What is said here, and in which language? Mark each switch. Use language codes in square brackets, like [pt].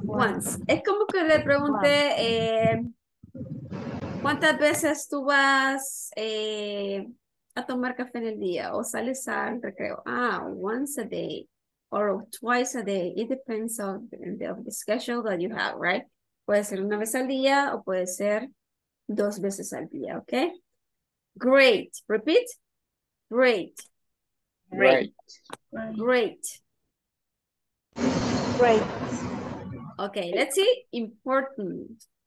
[en] Once. [es] Es como que le pregunté cuántas veces tú vas a tomar café en el día o sales al recreo. [en] Ah, once a day or twice a day. It depends on the schedule that you have, right? [es] Puede ser una vez al día o puede ser dos veces al día, okay? [en] Great. Repeat. Great. Great. Great. Great. Great. Okay, let's see. Important.